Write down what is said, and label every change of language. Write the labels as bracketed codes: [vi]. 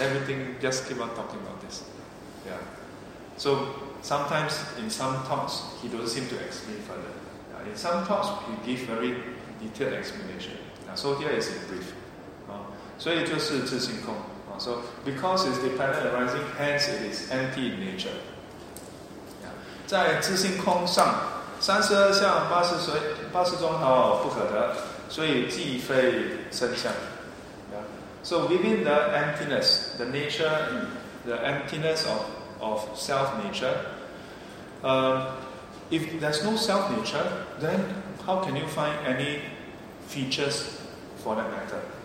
[en] Everything, just keep on talking about this. Yeah. So, sometimes, in some talks, he doesn't seem to explain further. Yeah. In some talks, he gives very detailed explanation. Yeah. So here is in brief. So it is zi-xing-kong. So because it's dependent arising, hence it is empty in nature. Yeah. [zh] 在自性空上, 32相80种好不可得, 所以既非身相. [en] Yeah. So within the emptiness, the nature, the emptiness of self-nature, If there's no self nature, then how can you find any features for that matter?